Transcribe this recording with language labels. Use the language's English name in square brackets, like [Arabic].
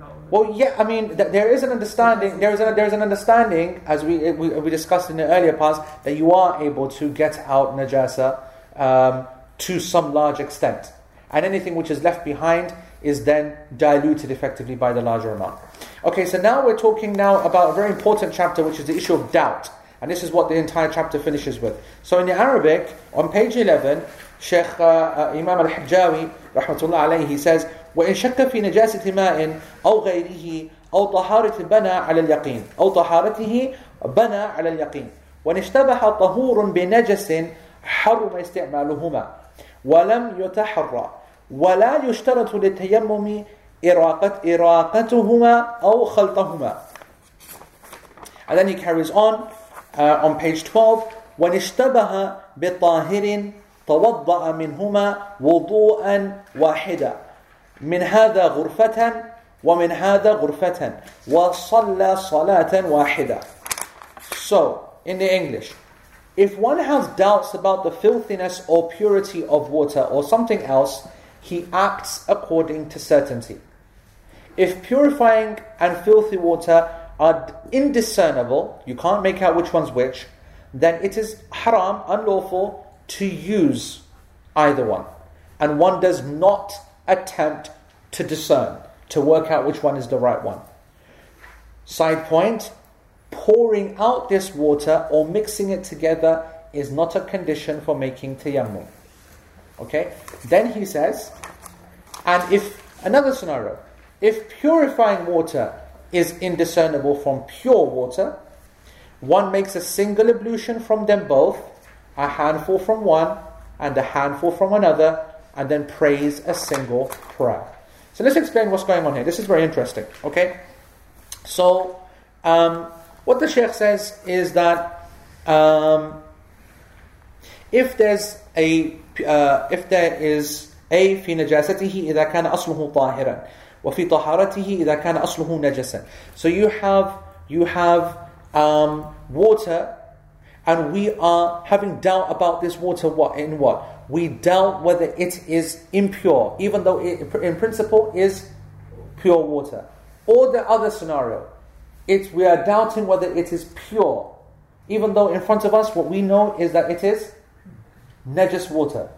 [English] Well, yeah, I mean, there is an understanding. There is an understanding, as we discussed in the earlier parts, that you are able to get out najasa to some large extent, and anything which is left behind is then diluted effectively by the larger amount. Okay, so now we're talking now about a very important chapter, which is the issue of doubt, and this is what the entire chapter finishes with. So, in the Arabic, on page 11, Sheikh Imam al-Hijawi, rahmatullah alayhi, he says, [Arabic] وإن شك في نجاسة ماء أو غيره أو طهارة بنى على اليقين أو طهارته بنى على اليقين وإن اشتبه طهور بنجس حرم استعمالهما ولم يتحرى ولا يشترط للتيمم إراقتهما أو خلطهما. [English] And then he carries on page 12. [Arabic] وإن اشتبه بطاهر توضأ منهما وضوءا واحدا من هذا غرفة ومن هذا غرفة وصلى صلاة واحدة. [English] So, in the English, if one has doubts about the filthiness or purity of water or something else, he acts according to certainty. If purifying and filthy water are indiscernible, you can't make out which one's which, then it is haram, unlawful, to use either one. And one does not attempt to discern, to work out which one is the right one. Side point, pouring out this water or mixing it together is not a condition for making tayammum. Okay? Then he says, and if, another scenario, if purifying water is indiscernible from pure water, one makes a single ablution from them both, a handful from one and a handful from another, and then prays a single prayer. So let's explain what's going on here. This is very interesting, okay? So, what the Sheikh says is that if there is a [Arabic] في نجاستيه إذا كان أصله طاهرا وفي طهارته إذا كان أصله نجسا. [English] So you have water, and we are having doubt about this water. What in what? We doubt whether it is impure, even though it in principle is pure water. Or the other scenario, we are doubting whether it is pure, even though in front of us what we know is that it is najis water.